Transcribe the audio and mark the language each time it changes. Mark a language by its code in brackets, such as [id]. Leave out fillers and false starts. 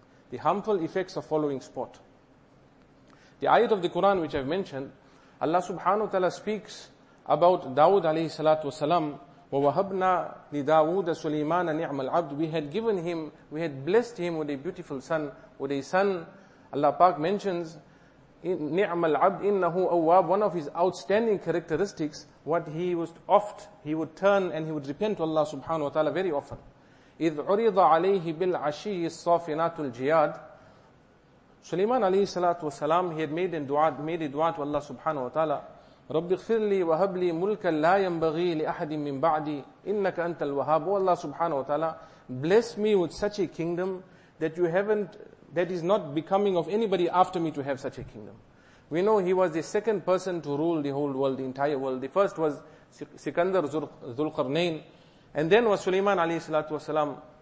[en] The harmful effects of following sport. The ayat of the Quran which I've mentioned, Allah subhanahu wa ta'ala speaks about Dawood alayhi salatu wasalam, [ar] وَوَهَبْنَا لِدَاوُودَ سُلَيْمَانَ نِعْمَ الْعَبْدُ. [en] We had given him, we had blessed him with a beautiful son, with a son. Allah Pak mentions, [ar] نِعْمَ الْعَبْدُ إِنَّهُ أَوَّابُ. [en] One of his outstanding characteristics, what he was oft, he would turn and he would repent to Allah subhanahu wa ta'ala very often. [ar] إِذْ عُرِضَ عَلَيْهِ بِالْعَشِيِّ الصَّافِنَاتُ الْجِيَادِ. [en] Sulaiman alayhi salatu wasalam, he had made a dua to Allah subhanahu wa ta'ala. [ar] رب اغفر لي وهب لي ملكا لا ينبغي لأحد من بعدي إنك أنت الوهاب. والله سبحانه وتعالى, [en] bless me with such a kingdom that you haven't, that is not becoming of anybody after me to have such a kingdom. We know he was the second person to rule the whole world, the entire world. The first was Sikandar Dhulqarnain, and then was Sulaiman عليه الصلاة والسلام.